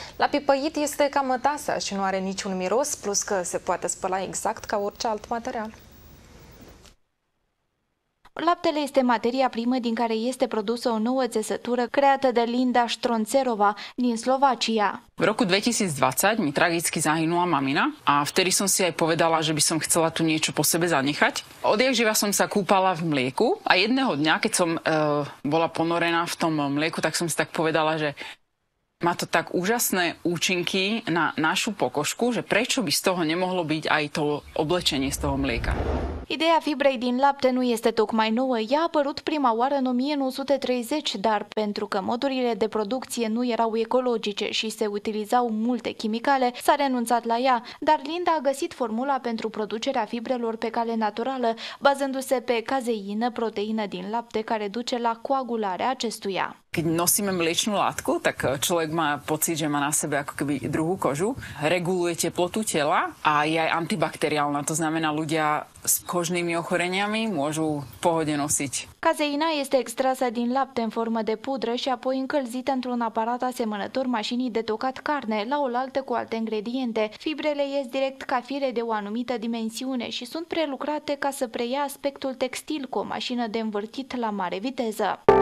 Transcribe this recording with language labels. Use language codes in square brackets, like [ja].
[ro] La pipăit este ca mătasea și nu are niciun miros, plus că se poate spăla exact ca orice alt material. Laptele este materia primă din care este produsă o nouă țesătură creată de Linda Štroncerová din Slovacia. [sk] V roku 2020 mi tragicky zahynula mamina a vtedy som si aj povedala, že by som chcela tu niečo po sebe zanechať. Odjakživa som sa kúpala v mlieku a jedného dňa, keď som bola ponorená v tom mlieku, tak som si tak povedala, že má to tak úžasné účinky na našu pokožku, že prečo by z toho nemohlo byť aj to oblečenie z toho mlieka. [ro] Ideea fibrei din lapte nu este tocmai nouă. Ea a apărut prima oară în 1930, dar pentru că modurile de producție nu erau ecologice și se utilizau multe chimicale, s-a renunțat la ea. Dar Linda a găsit formula pentru producerea fibrelor pe cale naturală, bazându-se pe caseină, proteină din lapte, care duce la coagularea acestuia. [sk] Keď nosíme mliečnú látku, tak človek má pocit, že má na sebe ako keby druhú kožu. Reguluje teplotu tela a je aj antibakteriálna. To znamená, ľudia s kožnými ochoreniami môžu v pohode nosiť. [ro] Caseina este extrasă din lapte în formă de pudră și apoi încălzită într-un aparat asemănător mașinii de tocat carne, la oaltă cu alte ingrediente. Fibrele ies direct ca fire de o anumită dimensiune și sunt prelucrate ca să preia aspectul textil cu o mașină de învârtit la mare viteză.